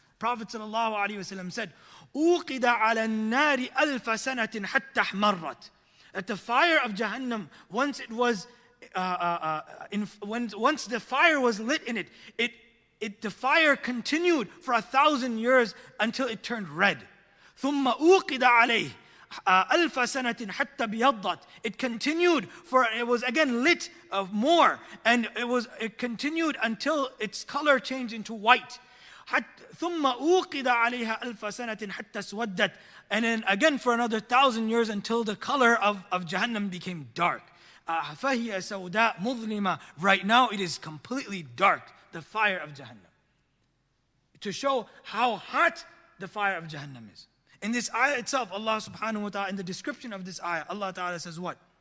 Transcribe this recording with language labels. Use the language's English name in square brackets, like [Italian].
[English] Prophet sallallahu alaihi wasallam said, [Arabic] "Uqida 'ala an-nari alf sanatin hatta ahmarat." [English] That the fire of Jahannam, once it was once the fire was lit in it, the fire continued for 1,000 years until it turned red. [Arabic] ثم أوقد عليه ألف سنة حتى بيضت. [English] It continued for, it was again lit of more, and it continued until its color changed into white. [Arabic] ثم أوقد عليها ألف سنة حتى سودت. [English] And then again for another 1,000 years until the color of Jahannam became dark. [Arabic] فَهِيَ سَوْدَاءَ مُظْلِمَةً. [English] Right now it is completely dark, the fire of Jahannam. To show how hot the fire of Jahannam is. In this ayah itself, Allah subhanahu wa ta'ala, in the description of this ayah, Allah ta'ala says what?